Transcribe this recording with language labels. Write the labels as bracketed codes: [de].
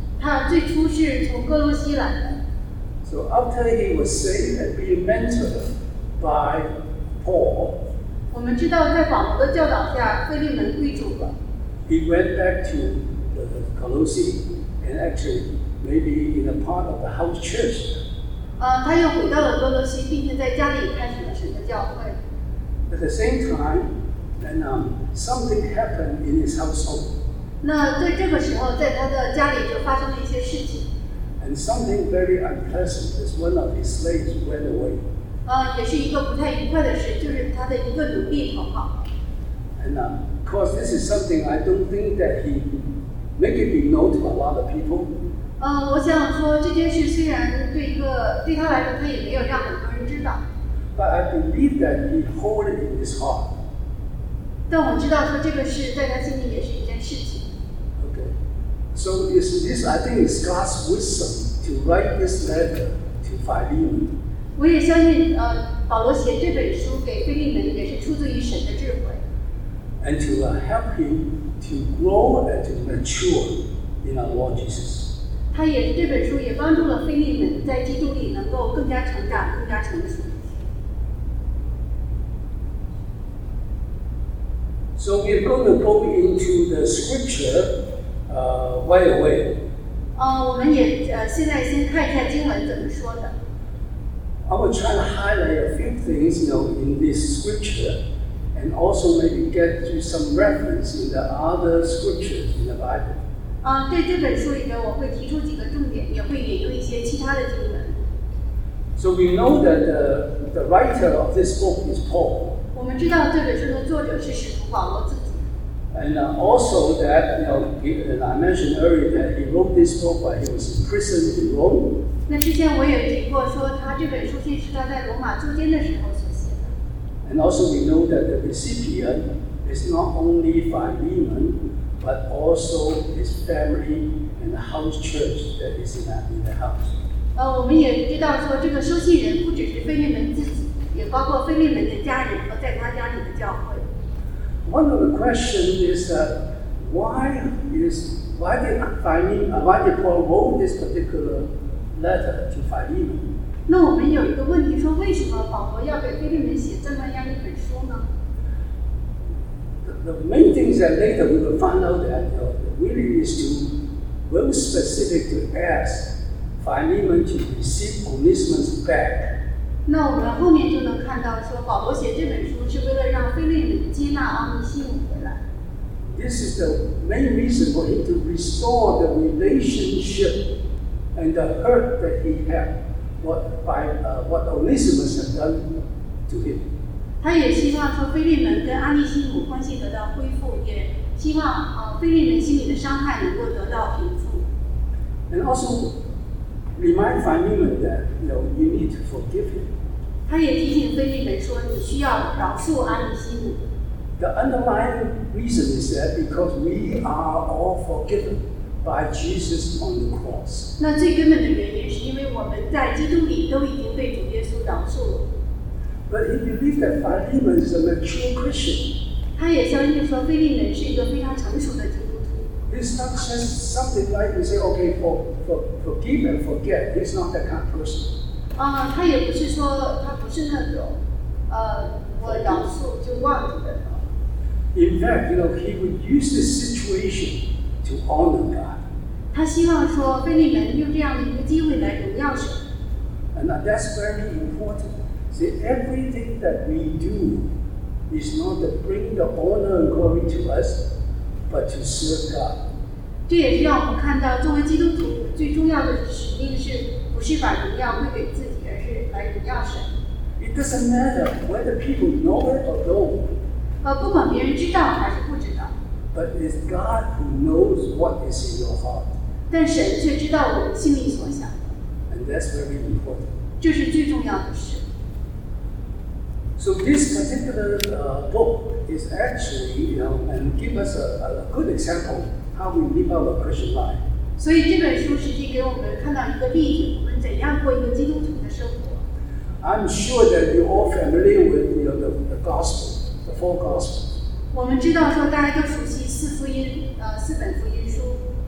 [zh] 他最初是从哥罗西来的。 [en] So after he was saved and being mentored by Paul, [zh] 我们知道在保罗的教导下，腓立门归主了。 [en] He went back to the Colossae and actually maybe in a part of the house church. [zh] 他又回到了哥罗西，并且在家里开始了神的教会。 [en] At the same time, and something happened in his household. [zh] 那在这个时候，在他的家里就发生了一些事情。 [en] And something very unpleasant is one of his slaves went away. [zh] 也是一个不太愉快的事，就是他的一个奴隶逃跑。 [en] And of course, this is something I don't think that he maybe be known to a lot of people. [zh] 我想说这件事虽然对他来说他也没有让很多人知道。 [en] But I believe that he hold it in his heart. [zh] 但我知道说这个事在他心里也是一件事情。 [en] Okay. So this I think is God's wisdom to write this letter to Philemon. [zh] 我也相信保罗写这本书给腓利门也是出自于神的智慧。 [en] And to help him to grow and to mature in our Lord Jesus. [zh] 他也这本书也帮助了腓利门在基督里能够更加成长，更加成熟。 [en] So we're going to go into the scripture right away. [zh] 我们也现在先看一下经文怎么说的。 [en] I will try to highlight a few things, you know, in this scripture. And also maybe get to some reference in the other scriptures in the Bible. [zh] 对这本书里面我会提出几个重点，也会引用一些其他的经文。 [en] So we know that the writer of this book is Paul. [zh] 我们知道这本书的作者是使徒保罗自己。 [en] And also that, you know, and I mentioned earlier that he wrote this book while he was imprisoned in Rome. [zh] 那之前我也提过说他这本书是他在罗马坐监的时候。 [en] And also we know that the recipient is not only Philemon, but also his family and the house church that is in the house. [zh] 我们也知道说这个收信人不只是腓利门自己，也包括腓利门的家人和在他家里的教会。 [en] One of the questions is that why did Paul wrote this particular letter to Philemon? [zh] 那我们有一个问题，说为什么保罗要给腓利门写这么样一本书呢 [en] ？The main thing is that later we will find out that really is to very specific to ask Philemon to receive Onesimus back. [zh] 那我们后面就能看到，说保罗写这本书是为了让腓利门接纳奥尼西姆回来。 [en] This is the main reason for him to restore the relationship and the hurt that he had. What Onesimus had done to him. [zh] 他也希望说腓利门跟阿尼西姆关系得到恢复，也希望腓利门心里的伤害能够得到平复。 [en] And also remind Philemon that you need to forgive him. [zh] 他也提醒腓利门说你需要饶恕阿尼西姆。 [en] The underlying reason is that because we are all forgiven. By Jesus on the cross. [zh] 那最根本的原因是因为我们在基督里都已经被主耶稣饶恕了。 [en] But he believed that Philemon is a mature Christian. [zh] 他也相信说腓利门是一个非常成熟的基督徒。 [en] It's not just something like you say, okay, forgive and forget. He's not that kind of person. [zh] 他也不是说他不是那种，我饶恕就忘记的。 [en] In fact, he would use this situation. To honor God. [zh] 他希望说腓利门用这样的一个机会来荣耀神。 [en] And that's very important. See, everything that we do is not to bring the honor and glory to us, but to serve God. [zh] 这也是让我们看到，作为基督徒最重要的使命是，不是把荣耀归给自己，而是来荣耀神。 [en] It doesn't matter whether people know it or don't. [zh] 不管别人知道还是不知道。 [en] But it's God who knows what is in your heart. [zh] 但神却知道我们心里所想的。 [en] And that's very important. [zh] 这是最重要的事。 [en] So this particular book is actually, and give us a good example how we live our Christian life. [zh] 所以这本书实际给我们看到一个例子，我们怎样过一个基督徒的生活。 [en] I'm sure that you're all familiar with the gospel, the four gospels. [zh] 我们知道说大家都熟悉四福音，四本福音书。